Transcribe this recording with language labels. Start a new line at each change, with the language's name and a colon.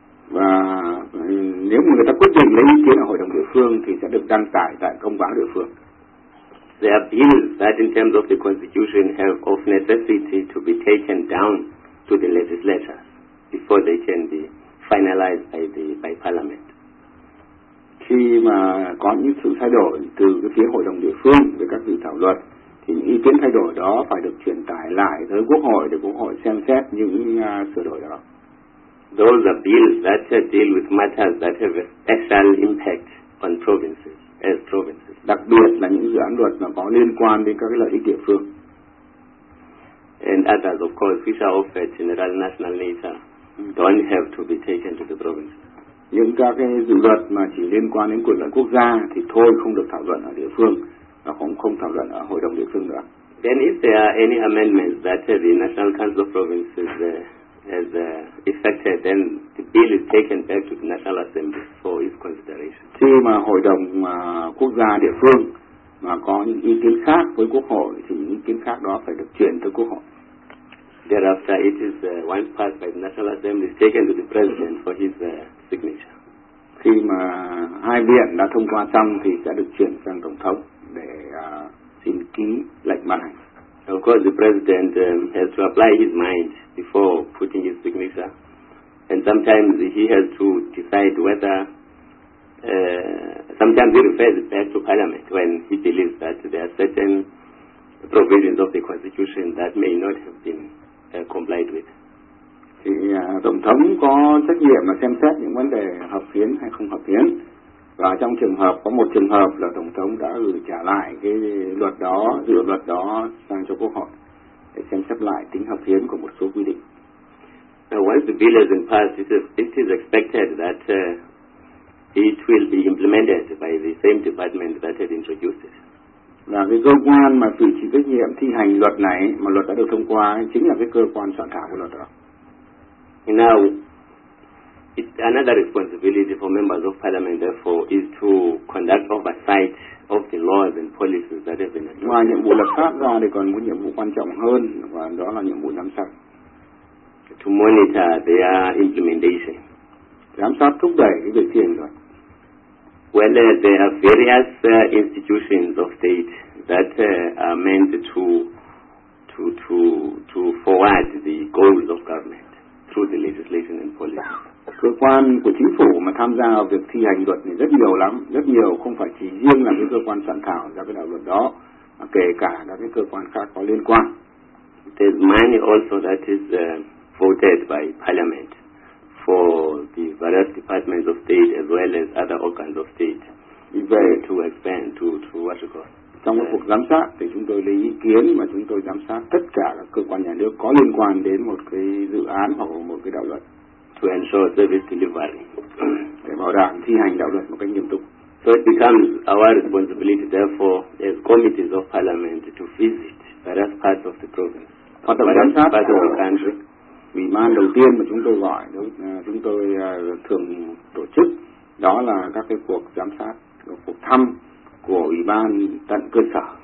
Vietnamese: Và nếu mà người ta quyết định lấy ý kiến ở hội đồng địa phương thì sẽ được đăng tải tại công báo địa phương.
English: There are bills that in terms of the constitution have of necessity to be taken down to the legislature before they can be finalized by parliament.
Vietnamese: Khi mà có những sự thay đổi từ cái phía hội đồng địa phương về các dự thảo luật thì những ý kiến thay đổi đó phải được truyền tải lại tới Quốc hội để Quốc hội xem xét những sửa đổi đó.
English: Those are bills that deal with matters that have a special impact on provinces as provinces.
Vietnamese: Đặc biệt là những dự án luật mà có liên quan đến các cái lợi ích địa phương.
English: And others, of course, which are of a general national nature, don't have to be taken to the provinces.
Vietnamese: Những các cái dự luật mà chỉ liên quan đến quyền lợi quốc gia thì thôi không được thảo luận ở địa phương và cũng không thảo luận ở hội đồng địa phương nữa.
English: Then if there are any amendments that the National Council of Provinces has effected, then the bill is taken back to the National Assembly for its consideration.
Vietnamese: Khi mà hội đồng quốc gia địa phương mà có những ý kiến khác với Quốc hội thì những ý kiến khác đó phải được chuyển tới Quốc hội.
English: Thereafter, it is once passed by the National Assembly, taken to the President for his signature.
Vietnamese: Khi mà hai viện đã thông qua xong thì sẽ được chuyển sang Tổng thống để xin ký lệnh ban hành.
English: Of course, the President has to apply his mind before putting his signature, and sometimes he has to decide whether. Sometimes he refers back to Parliament when he believes that there are certain provisions of the Constitution that may not have been. Complied with.
Vietnamese: Thì Tổng thống có trách nhiệm mà xem xét những vấn đề hợp hiến hay không hợp hiến. Và trong trường hợp có một trường hợp là Tổng thống đã gửi trả lại cái luật đó, dự luật đó sang cho Quốc hội để xem xét lại tính hợp hiến của một số quy định.
English: Now, once the bill has been passed, it is expected that it will be implemented by the same department that had introduced it.
Vietnamese: Và cái cơ quan mà tự chịu trách nhiệm thi hành luật này mà luật đã được thông qua chính là cái cơ quan soạn thảo của luật đó.
English: Now, it's another responsibility for members of parliament, therefore, is to conduct oversight of the laws and policies that have been adopted.
Vietnamese: Ngoài nhiệm vụ lập pháp ra thì còn một nhiệm vụ quan trọng hơn, và đó là nhiệm vụ giám sát.
English: To monitor their implementation.
Vietnamese: Giám sát thúc đẩy cái việc thi hành luật.
English: Whether there are various institutions of state that are meant to forward the goals of government through the legislation and policy.
Vietnamese: Cơ quan của chính phủ mà tham gia vào việc thi hành luật này rất nhiều lắm, rất nhiều, không phải chỉ riêng là cái cơ quan soạn thảo ra cái đạo luật đó, mà kể cả các cái cơ quan khác có liên quan.
English: There's money also that is voted by parliament for the various departments of state as well as other organs of state.
Vietnamese: Vậy,
English: to expand to what you call.
Vietnamese: Trong cái cuộc giám sát thì chúng tôi lấy ý kiến mà chúng tôi giám sát tất cả các cơ quan nhà nước có liên quan đến một cái dự án hoặc một cái đạo luật.
English: To ensure service delivery.
Vietnamese: Để bảo đảm thi hành đạo luật một cách nghiêm túc.
English: So it becomes our responsibility therefore as committees of parliament to visit various parts of the province.
Vietnamese: Hoạt động giám sát
English: part of the country.
Vietnamese: Ủy ban đầu tiên mà chúng tôi gọi, chúng tôi thường tổ chức, đó là các cái cuộc giám sát, cuộc thăm của ủy ban tận cơ sở.